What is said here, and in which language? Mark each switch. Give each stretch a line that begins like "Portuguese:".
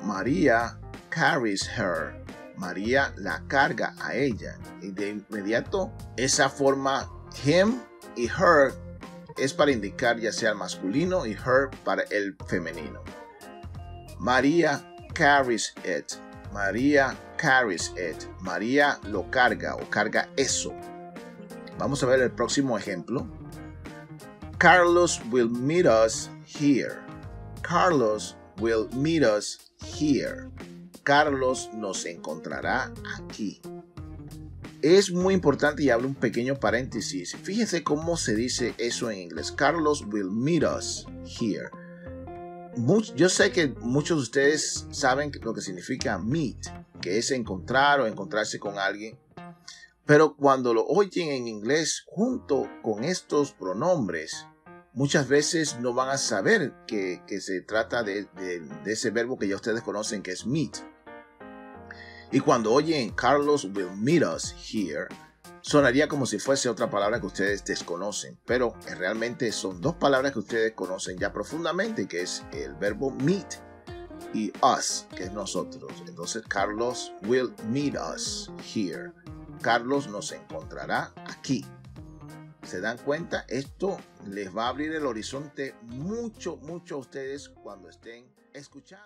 English: María carries her.
Spanish: María la carga a ella. Y de inmediato, esa forma him y her es para indicar ya sea el masculino y her para el femenino.
English: María carries it. María carries it.
Spanish: María lo carga o carga eso. Vamos a ver el próximo ejemplo.
English: Carlos will meet us here. Carlos will meet us here.
Spanish: Carlos nos encontrará aquí. Es muy importante y hablo un pequeño paréntesis. Fíjense cómo se dice eso en inglés.
English: Carlos will meet us here.
Spanish: Yo sé que muchos de ustedes saben lo que significa meet, que es encontrar o encontrarse con alguien. Pero cuando lo oyen en inglés junto con estos pronombres, muchas veces no van a saber que se trata de ese verbo que ya ustedes conocen, que es meet. Y cuando oyen
English: Carlos will meet us here,
Spanish: sonaría como si fuese otra palabra que ustedes desconocen. Pero realmente son dos palabras que ustedes conocen ya profundamente, que es el verbo meet y us, que es nosotros. Entonces,
English: Carlos will meet us here.
Spanish: Carlos nos encontrará aquí. ¿Se dan cuenta? Esto les va a abrir el horizonte mucho, mucho a ustedes cuando estén escuchando.